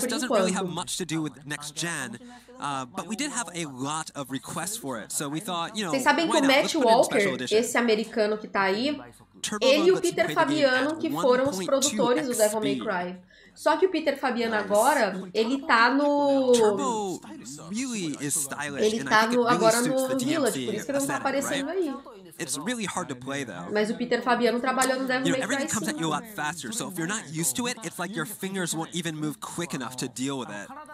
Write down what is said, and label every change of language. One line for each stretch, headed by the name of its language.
English: This doesn't really have much to do with next gen. But we did have a lot of requests for it, so we thought, you know,
Portuguese: vocês sabem que o Matt Walker, esse americano que tá aí, ele e o Peter Fabiano que foram os produtores do Devil May Cry. Só que o Peter Fabiano agora, ele tá no... Ele tá no, agora no Village, por isso que ele não tá aparecendo aí.
English: It's really hard to play, though.
Portuguese: Mas o Peter Fabiano trabalhou no Devil May Cry 5.
English: You know, everything comes at you a lot faster, so if you're not used to it, it's like your fingers won't even move quick enough to deal with it.